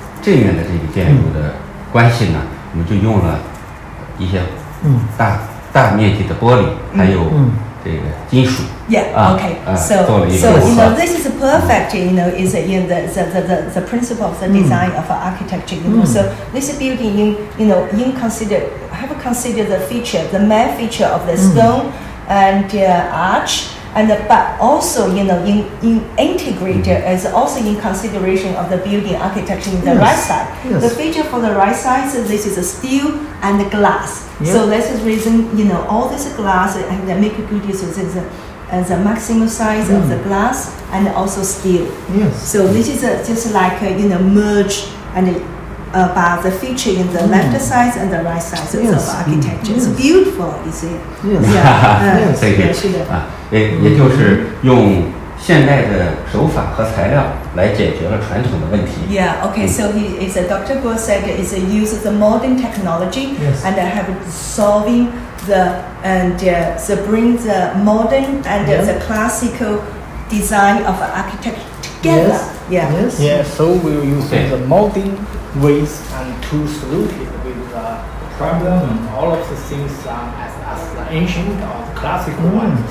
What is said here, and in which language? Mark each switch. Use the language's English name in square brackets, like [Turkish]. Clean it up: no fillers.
[Chinese] 正面的这个建筑的关系呢，我们就用了一些大面积的玻璃，还有这个金属。 [English] So, you know, this is a perfect, you know, is in the principle of the design of architecture. You know, so this building, have considered the feature, the main feature of the stone and arch. And but also, you know, in integrated is also in consideration of the building architecture in the right side. Yes. The feature for the right side is this is a steel and the glass. Yep. So this is reason, you know, all this glass and they make a good use of this as a maximum size of the glass and also steel. Yes. So this is just like, you know, merge and about the feature in the left side and the right side of architecture. It's beautiful, you see. Yes. Thank you. [Chinese] 也就是用现代的手法和材料来解决了传统的问题。 [English] Yeah, okay. So he is a Dr. Guo said is use the modern technology and have solving the and so bring the modern and the classical design of architecture together. So we will use the modern ways and to solve it with the problem and all of the things as the ancient or the classical ones.